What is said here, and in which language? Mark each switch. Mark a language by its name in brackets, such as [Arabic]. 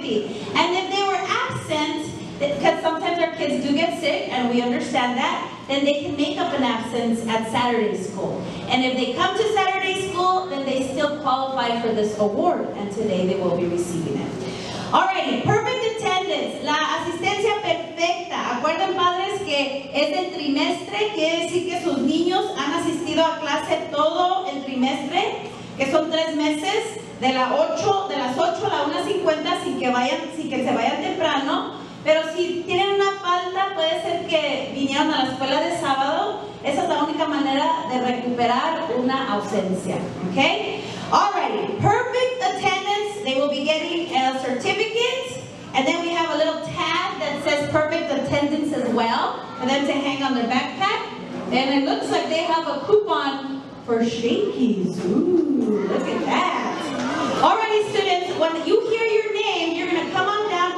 [English] And if they were absent, because sometimes our kids do get sick, and we understand that, then they can make up an absence at Saturday school. And if they come to Saturday school, then they still qualify for this award, and today they will be receiving it. Alrighty, perfect attendance, [Spanish] la asistencia perfecta. Acuerden, padres, que es del trimestre, quiere decir que sus niños han asistido a clase todo el trimestre, que son 3 meses. De las 8 a la 1:50 sin que se vayan temprano, pero si tienen una falta, puede ser que vinieron a la escuela de sábado. Esa es la única manera de recuperar una ausencia. [English] Okay? Alrighty, perfect attendance. They will be getting a certificate, and then we have a little tag that says perfect attendance as well for them to hang on their backpack. And it looks like they have a coupon for Shakey's. Ooh, look at that. Alrighty, students, when you hear your name, you're going to come on down.